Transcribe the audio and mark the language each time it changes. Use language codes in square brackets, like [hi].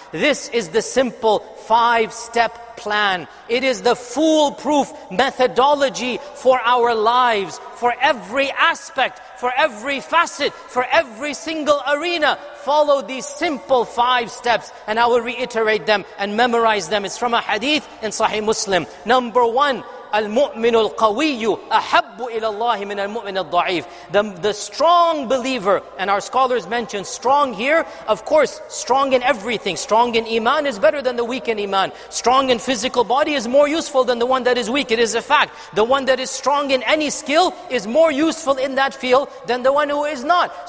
[en] This is the simple five-step plan. It is the foolproof methodology for our lives, for every aspect, for every facet, for every single arena. Follow these simple five steps, and I will reiterate them and memorize them. It's from a hadith in Sahih Muslim. [ar] Number one, المؤمن القوي أحب إلى الله من المؤمن الضعيف. [en] The strong believer, and our scholars mention strong here, of course, strong in everything. Strong in iman is better than the weak in iman. Strong in physical body is more useful than the one that is weak. It is a fact. The one that is strong in any skill is more useful in that field than the one who is not.